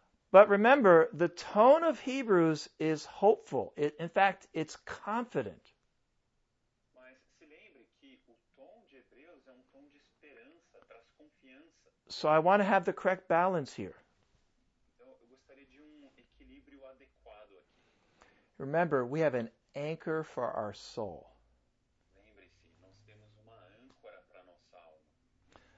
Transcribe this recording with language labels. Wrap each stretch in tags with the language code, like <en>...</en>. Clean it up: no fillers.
<en>But remember, the tone of Hebrews is hopeful. In fact, it's confident.</en> <pt>Mas se lembre que o tom de Hebreus é um tom de esperança, traz confiança.</pt> <en>So I want to have the correct balance here.</en> <pt>Então, eu gostaria de um equilíbrio adequado aqui.</pt> <en>Remember, we have an anchor for our soul.</en> <pt>Lembre-se, nós temos uma âncora para nossa alma.</pt>